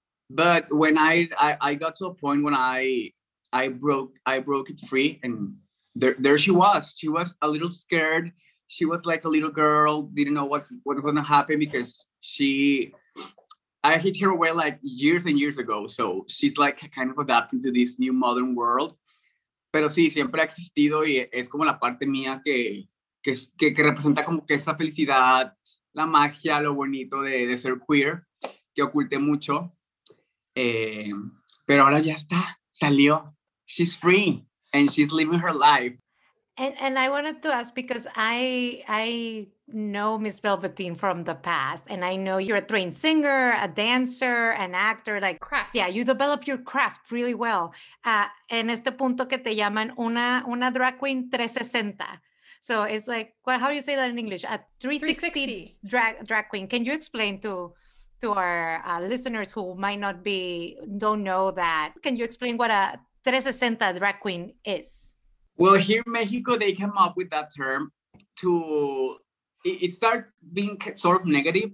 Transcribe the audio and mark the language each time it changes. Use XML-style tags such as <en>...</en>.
<en>But when I got to a point when I broke it free, and there she was. She was a little scared. She was like a little girl, didn't know what was gonna happen because I hit her away like years and years ago. So she's like kind of adapting to this new modern world.</en> <es>Pero sí, siempre ha existido y es como la parte mía que representa como que esa felicidad, la magia, lo bonito de ser queer, que oculté mucho. Pero ahora ya está, salió.</es> <en>She's free and she's living her life. And I wanted to ask, because I know Miss Velveteen from the past, and I know you're a trained singer, a dancer, an actor, like craft. Yeah, you develop your craft really well.</en> <es>En este punto que te llaman una drag queen 360.</es> <en>So it's like, well, how do you say that in English? A 360 drag queen. Can you explain to our listeners who might not be, don't know that? Can you explain what a 360 drag queen is? Well, here in Mexico, they came up with that term it starts being sort of negative.</en>